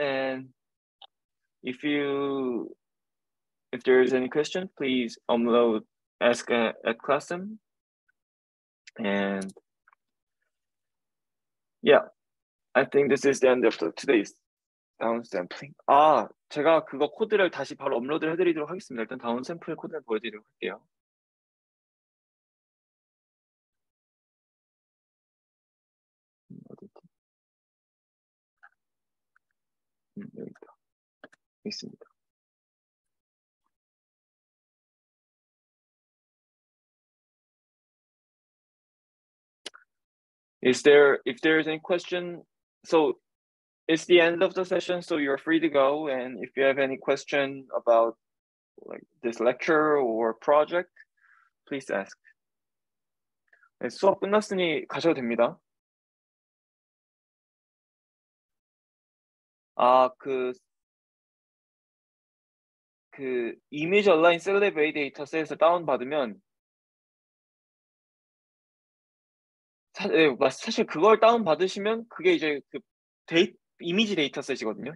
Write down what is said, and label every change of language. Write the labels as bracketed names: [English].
[English] And if there is any question, please ask at classroom. And yeah, I think this is the end of today's down sampling. [Korean] 아, 제가 그거 코드를 다시 바로 업로드를 해드리도록 하겠습니다. 일단 다운 샘플 코드를 보여드리도록 할게요. 여기 있습니다. 있습니다. [English] Is there, if there is any question, so it's the end of the session, so you're free to go. And if you have any question about like this lecture or project, please ask. [Korean] 네, 수업 끝났으니 가셔도 됩니다. 아, 그 이미지 얼라인 셀레베이 데이터셋을 다운받으면 사실 그걸 다운받으시면 그게 이제 그 이미지 데이터셋이거든요.